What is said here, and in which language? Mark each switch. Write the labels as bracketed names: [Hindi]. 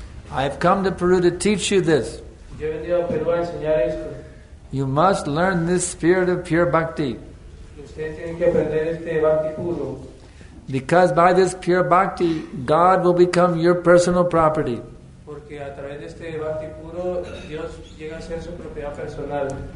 [English] I've come to Peru to teach you this. [Spanish] Yo he venido a Perú a enseñar esto. [English] You must learn this spirit of pure bhakti. [Spanish] Ustedes tienen que aprender este bhakti puro. [English] Because by this pure bhakti, God will become your personal property. [Spanish] Porque a través de este bhakti puro, Dios llega a ser su propiedad personal.